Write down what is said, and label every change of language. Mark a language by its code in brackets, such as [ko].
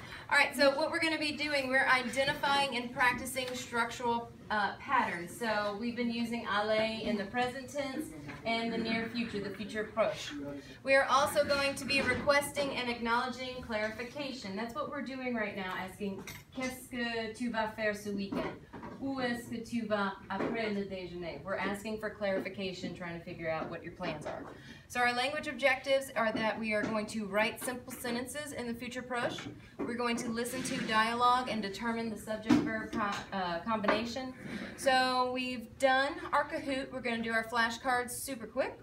[en] Alright, so what we're going to be doing, we're identifying and practicing structural patterns. So we've been using aller in the present tense and the near future, the future proche. We are also going to be requesting and acknowledging clarification. That's what we're doing right now, asking, [fr] qu'est-ce que tu vas faire ce week-end? Où est-ce que tu vas après le déjeuner? [en] We're asking for clarification, trying to figure out what your plans are. So our language objectives are that we are going to write simple sentences in the future proche. We're going to listen to dialogue and determine the subject-verb combination. So we've done our Kahoot. We're going to do our flashcards super quick.